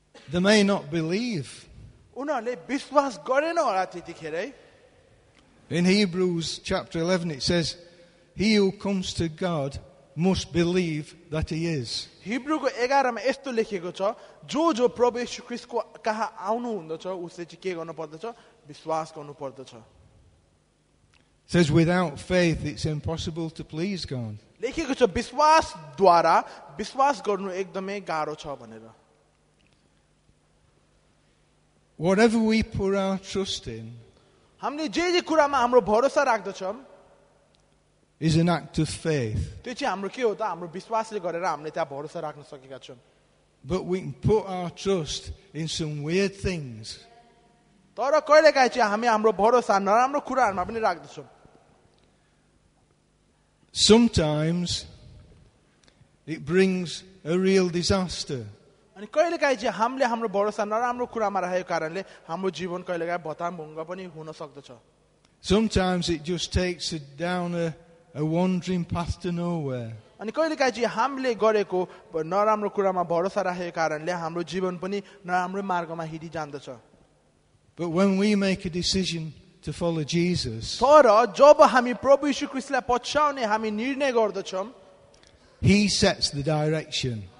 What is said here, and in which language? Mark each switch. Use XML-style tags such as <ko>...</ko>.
<en>They may not believe. In Hebrews chapter 11, it says, he who comes to God must believe that he is. Says, without faith, it's impossible to please God.</en> <ne>लेखिएको छ विश्वास द्वारा विश्वास गर्नु एकदमै गाह्रो छ भनेर.</ne> <en>Whatever we put our trust in,</en> <ne>हामीले जे जे कुरामा हाम्रो भरोसा राख्दछौँ,</ne> <en>is an act of faith.</en> <ne>त्यो चाहिँ हाम्रो के हो त? हाम्रो विश्वासले गरेर हामीले त्यहाँ भरोसा राख्न सकेका छौँ.</ne> <en>But we put our trust in some weird things.</en> <ne>तर कहिलेकाहीँ चाहिँ हामी हाम्रो भरोसा नराम्रो कुराहरूमा पनि राख्दछौँ.</ne> <en>Sometimes it brings a real disaster.</en> <ne>अनि कहिलेकाहीँ चाहिँ हामीले हाम्रो भरोसा नराम्रो कुरामा राखेको कारणले हाम्रो जीवन कहिलेकाहीँ भताभुङ्ग पनि हुन सक्दछ.</ne> <en>Sometimes it just takes it down a wandering path to nowhere.</en> <ne>अनि कहिलेकाहीँ चाहिँ हामीले गरेको नराम्रो कुरामा भरोसा राखेको कारणले हाम्रो जीवन पनि नराम्रो मार्गमा हिँडिजान्दछ.</ne> <en>But when we make a decision to follow Jesus, he sets the direction.</en>